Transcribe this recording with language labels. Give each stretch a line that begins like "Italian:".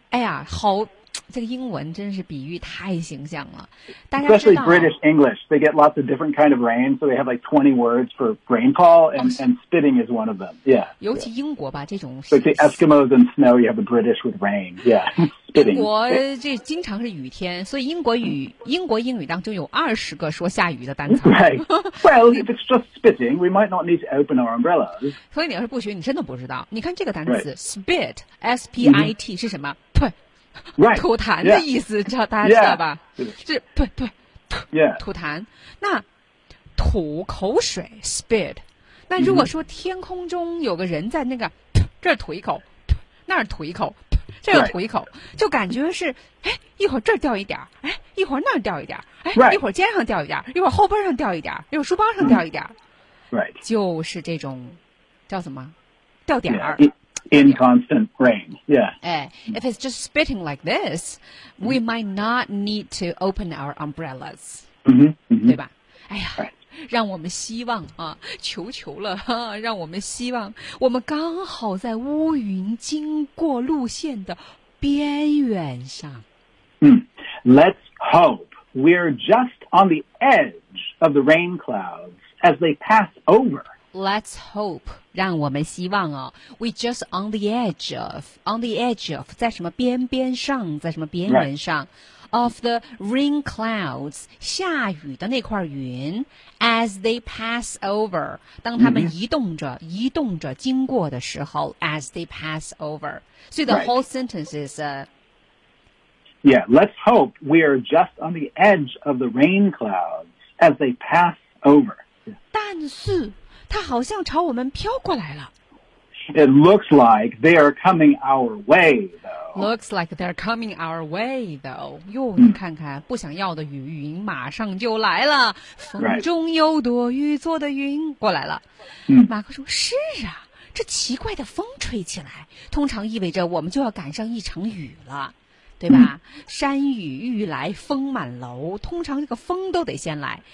Chinese: 哎呀，好，这个英文真是比喻太形象了。大家
English: Especially British English. They get lots of different kind of rain, so they have like 20 words for rainfall, and spitting is one of them. Yeah.
Chinese: 尤其英国吧，这种。
English: Like the Eskimos and snow, you have the British with rain. Yeah. Spitting.
Chinese: 英国这经常是雨天，所以英国语、英国英语当中有20个说下雨的单词。
English: Right. Well, if it's just spitting, we might not need to open our umbrellas.
Chinese: 所以你要是不学，你真的不知道。你看这个单词 spit, S P I T 是什么？对。
English: Right.
Chinese: 吐痰的意思，知道大家知道吧？
English: Yeah.
Chinese: 是，对对，吐、
English: yeah.
Chinese: 吐痰。那吐口水 ，spit。那如果说天空中有个人在那个、mm-hmm. 这吐一口，那儿吐一口，这又吐一口，
English: right.
Chinese: 就感觉是，哎，一会儿这儿掉一点儿，哎，一会儿那儿掉一点儿，哎，
English: right.
Chinese: 一会儿肩上掉一点儿，一会儿后背上掉一点儿，一会儿书包上掉一点儿。
English: Right.
Chinese: 就是这种叫什么掉点儿。
English: Yeah. In constant rain, yeah. If it's just spitting like this, we might not need to open our umbrellas. Mm-hmm.
Chinese: 对吧？哎呀，让我们希望啊，求求了、啊、让我们希望，我们刚好在乌云经过路线的边缘上。
English: Let's hope we're just on the edge of the rain clouds as they pass over. Let's hope,
Chinese: 让我们希望哦
English: we just on the edge of, on the edge of,
Chinese: 在什么边边上在什么边缘上、
English: right. of the rain clouds,
Chinese: 下雨的那块云
English: as they pass over,
Chinese: 当他们移动着、
English: mm-hmm.
Chinese: 移动着经过的时候
English: as they pass over. So the、 right. whole sentence is,、 Yeah, let's hope we are just on the edge of the rain clouds as they pass over.、Yeah.
Chinese: 但是它好像朝我们飘过来了。
English: It looks like they are coming our way, though. Looks like they're coming our way, though.
Chinese: 哟，你看看，不想要的雨云马上就来了。风中有朵雨做的云过来了。马克说：“是啊，这奇怪的风吹起来，通常意味着我们就要赶上一场雨了。” 对吧、山雨欲来风满楼，通常这个风都得先来。